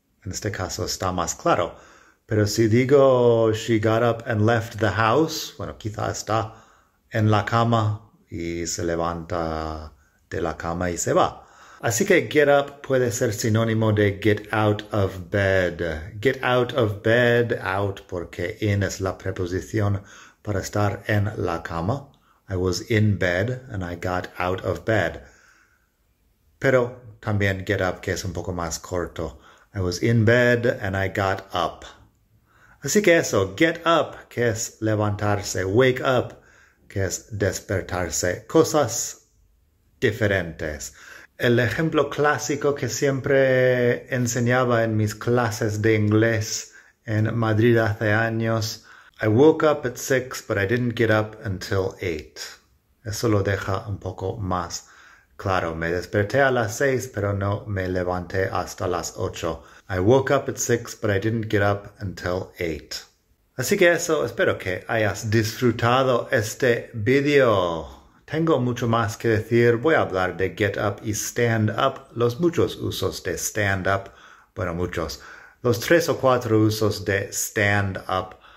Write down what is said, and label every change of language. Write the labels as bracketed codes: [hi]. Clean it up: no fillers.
[es] En este caso está más claro. Pero si digo, [en] she got up and left the house, [es] bueno, quizá está en la cama. Y se levanta de la cama y se va. Así que get up puede ser sinónimo de [en] get out of bed. Get out of bed, [es] out porque in es la preposición para estar en la cama. [en] I was in bed and I got out of bed. [es] Pero también get up que es un poco más corto. [en] I was in bed and I got up. [es] Así que eso, [en] get up [es] que es levantarse, [en] wake up. [es] Que es despertarse, cosas diferentes. El ejemplo clásico que siempre enseñaba en mis clases de inglés en Madrid hace años: [en] I woke up at 6, but I didn't get up until 8. [es] Eso lo deja un poco más claro. Me desperté a las 6, pero no me levanté hasta las 8. [en] I woke up at 6, but I didn't get up until 8. [es] Así que eso, espero que hayas disfrutado este video. Tengo mucho más que decir. Voy a hablar de get up y stand up, los muchos usos de stand up, bueno, muchos, los tres o cuatro usos de stand up.